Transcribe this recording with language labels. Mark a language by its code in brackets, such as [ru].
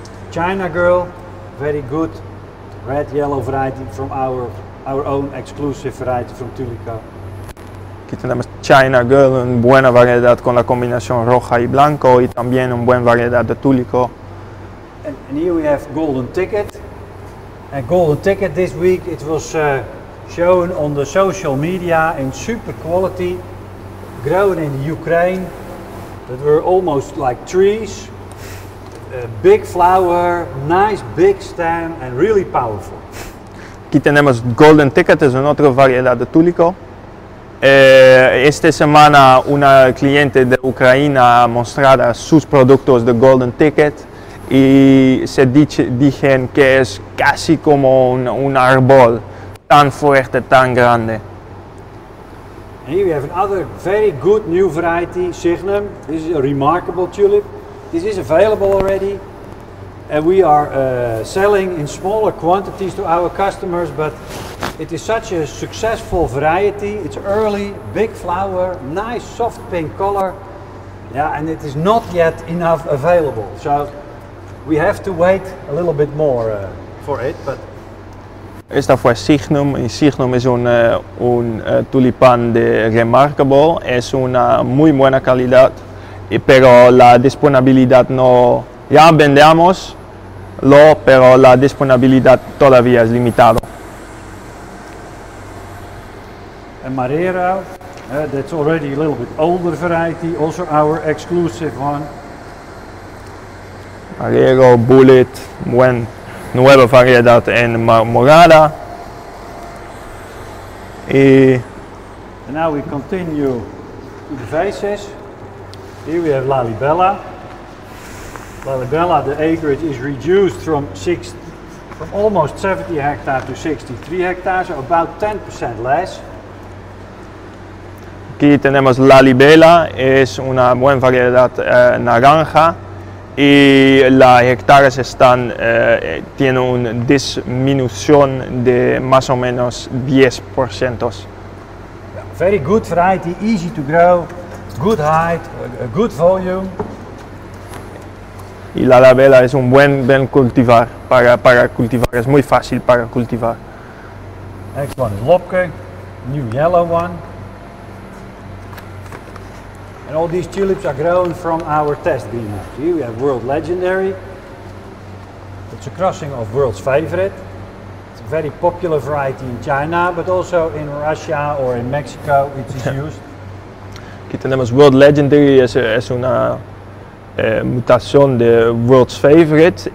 [en] China Girl, very good red yellow variety from our own exclusive variety from Tulico. [es] Aquí tenemos China Girl, una buena variedad con la combinación roja y blanco y también una buena variedad de Tulico. [en] And here we have Golden Ticket. And Golden Ticket this week it was shown on the social media in super quality, grown in Ukraine. That were almost like trees, a big flower, nice big stem, and really powerful. [es] Aquí tenemos Golden Ticket, es una otra variedad de Tulico. Esta semana una cliente de Ucrania ha mostrado sus productos de Golden Ticket y se dicen que es casi como un árbol, tan fuerte, tan grande. [en] Here we have another very good new variety, Signum. This is a remarkable tulip. This is available already. And we are selling in smaller quantities to our customers, but it is such a successful variety. It's early, big flower, nice soft pink color. Yeah, and it is not yet enough available. So we have to wait a little bit more for it. But [es] esta fue Signum, y Signum es un tulipán de Remarkable, es una muy buena calidad, pero la disponibilidad no, ya vendemos, pero la disponibilidad todavía es limitada. [en] Marrero, that's already a little bit older variety, also our exclusive one. [es] Arriero, Bullet, Buen, Nueva Variedad and Morada. [en] And now we continue to the vases. Here we have Lalibela. Lalibela, the acreage is reduced from almost 70 hectares to 63 hectares, so about 10% less. [es] Aquí tenemos Lalibela, es una buena variedad naranja y las hectáreas están tiene una disminución de más o menos 10%. [en] Very good variety, easy to grow, good height, a good volume. [es] Y Lalibela es un buen cultivar para cultivar, es muy fácil para cultivar. [en] Next one is Lopke, new yellow one. And all these tulips are grown from our test greenhouse. Here we have World Legendary. It's a crossing of World's Favorite. It's a very popular variety in China, but also in Russia or in Mexico, which is used. [es] Aquí tenemos World Legendary, es una mutación de World's Favorite.